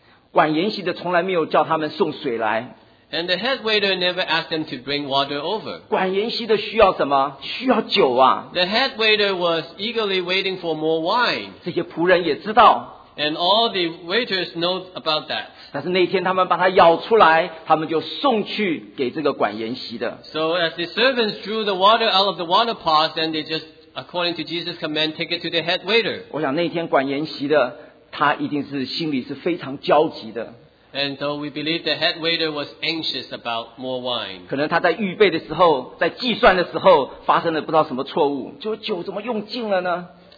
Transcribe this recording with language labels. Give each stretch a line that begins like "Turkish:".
Chinese: 管筵席的从来没有叫他们送水来。
English: And the head waiter never asked them to bring water over.
Chinese: 管筵席的需要什么？需要酒啊。
English: The head waiter was eagerly waiting for more wine.
Chinese: 这些仆人也知道。
English: And all the waiters know about that.
Chinese: 但是那天他们把它舀出来，他们就送去给这个管筵席的。
English: So as the servants drew the water out of the water pots, then they just According to Jesus' command, take it to the head waiter.
Chinese: 我想那天管筵席的，他一定是心里是非常焦急的。
English: And so we believe the head waiter was anxious about more wine.
Chinese: 可能他在预备的时候，在计算的时候，发生了不知道什么错误，就酒怎么用尽了呢